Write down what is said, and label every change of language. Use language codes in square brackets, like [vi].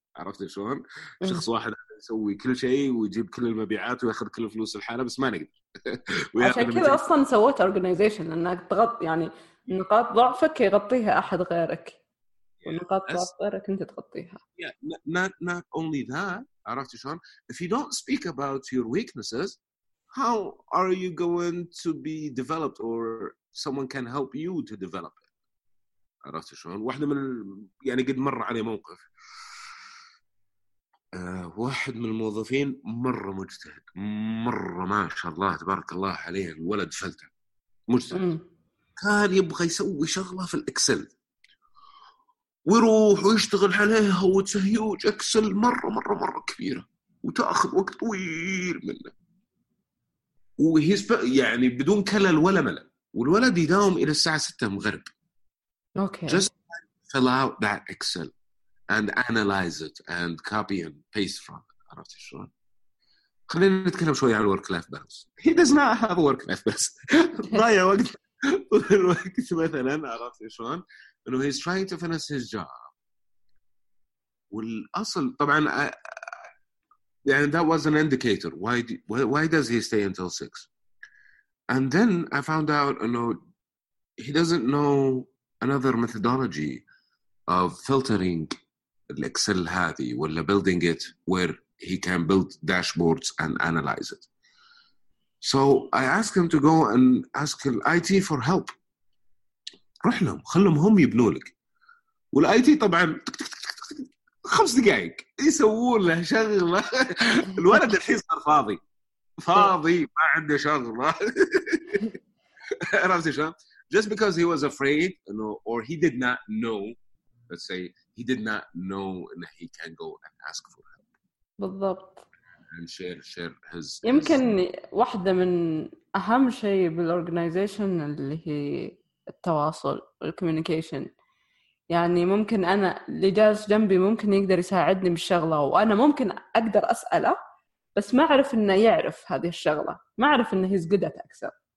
[ar] عرفت شلون؟ شخص واحد يسوي كل شيء ويجيب كل المبيعات وياخذ كل الفلوس الحاله بس ما نقدر. عشان كذا اصلا سويت اورجنايزيشن انك تغطي يعني نقاط ضعفك يغطيها احد غيرك. Yeah. ونقاط ضعف غيرك انت تغطيها. [en] Yeah. Not only that, [ar] عرفت شلون؟ [en] If you don't speak about your weaknesses, how are you going to be developed or someone can help you to develop it? [ar] عرفت شلون؟ واحدة من يعني قد مر علي موقف واحد من الموظفين مرة مجتهد مرة ما شاء الله تبارك الله عليه الولد فلتة مجتهد كان يبغى يسوي شغلة في الإكسل ويروح ويشتغل عليها وتهيوج إكسل مرة مرة مرة كبيرة وتأخذ وقت طويل منه وهيسب يعني بدون كلل ولا ملل والولد يداوم إلى الساعة 6 مغرب [en] okay. just fill out that Excel and analyze it and copy and paste from it. [ar] عرفت شلون؟ خلينا نتكلم شوي عن work life balance. [en] He does not have a work life balance. [ar] ضايع وقت الوقت مثلا عرفت شلون؟ انه [en] he's trying to finish his job. [ar] والاصل طبعا يعني [en] that was an indicator. Why does he stay until 6? And then I found out he doesn't know another methodology of filtering [ar] الإكسل هذه ولا [en] building it where he can build dashboards and analyze it. So I asked him to go and ask the IT for help. [ar] روح لهم خلهم هم يبنوا لك. والIT طبعا خمس دقائق يسوون له شغلة. الولد الحين صار فاضي. فاضي ما عنده شغلة. عرفت شلون؟ [en] Just because he was afraid or he did not know, let's say, he did not know that he can go and ask for help. [ar] بالضبط. [en] And share his. [ar] يمكن واحدة من أهم شيء بالorganization اللي هي التواصل والcommunication. يعني ممكن أنا اللي جالس جنبي ممكن يقدر يساعدني بالشغلة وأنا ممكن أقدر أسأله بس ما أعرف إنه يعرف هذه الشغلة ما أعرف إنه [en] he's good at Excel.